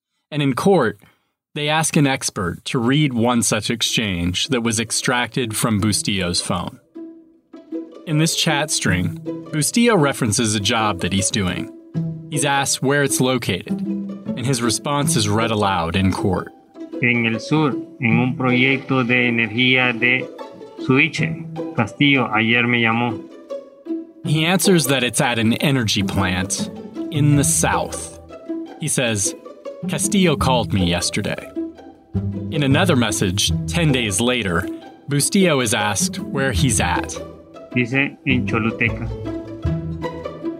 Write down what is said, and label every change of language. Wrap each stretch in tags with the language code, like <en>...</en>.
<en>And in court, they ask an expert to read one such exchange that was extracted from Bustillo's phone. In this chat string, Bustillo references a job that he's doing. He's asked where it's located, and his response is read aloud in court.</en> <es>En el sur, en un proyecto de energía de Suiche, Castillo ayer me llamó.</es> <en>He answers that it's at an energy plant in the south. He says, "Castillo called me yesterday." In another message, 10 days later, Bustillo is asked where he's at.</en> <es>Dice, en Choluteca.</es>